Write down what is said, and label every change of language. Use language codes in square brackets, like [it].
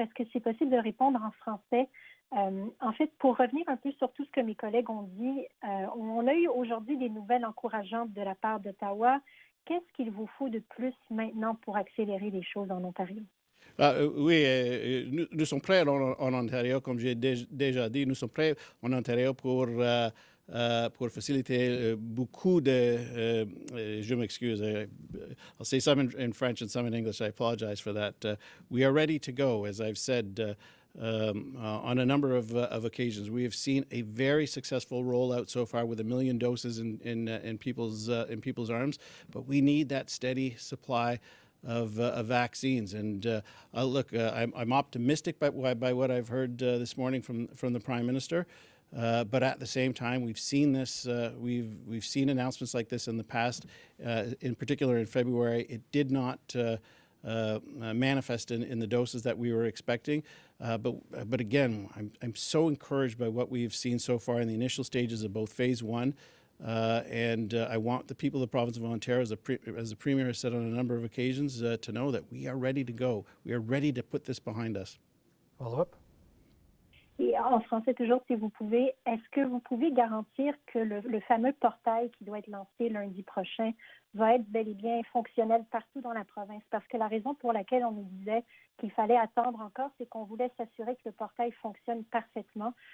[fr] Est-ce que c'est possible de répondre en français? En fait, pour revenir un peu sur tout ce que mes collègues ont dit, on a eu aujourd'hui des nouvelles encourageantes de la part d'Ottawa. Qu'est-ce qu'il vous faut de plus maintenant pour accélérer les choses en Ontario? Oui, nous sommes prêts en Ontario, comme j'ai déjà dit, nous sommes prêts en Ontario pour faciliter beaucoup de... je m'excuse, [en] I'll say some in French and some in English, I apologize for that. We are ready to go, as I've said on a number of occasions. We have seen a very successful rollout so far with a million doses in people's arms, but we need that steady supply of vaccines. And look, I'm optimistic by what I've heard this morning from the Prime Minister. But at the same time, we've seen this, we've seen announcements like this in the past, in particular in February. It did not manifest in the doses that we were expecting. But again, I'm so encouraged by what we've seen so far in the initial stages of both phase one. I want the people of the province of Ontario, as the Premier has said on a number of occasions, to know that we are ready to go. We are ready to put this behind us. Follow up. [fr] Et en français toujours, si vous pouvez, est-ce que vous pouvez garantir que le fameux portail qui doit être lancé lundi prochain va être bel et bien fonctionnel partout dans la province? Parce que la raison pour laquelle on nous disait qu'il fallait attendre encore, c'est qu'on voulait s'assurer que le portail fonctionne parfaitement.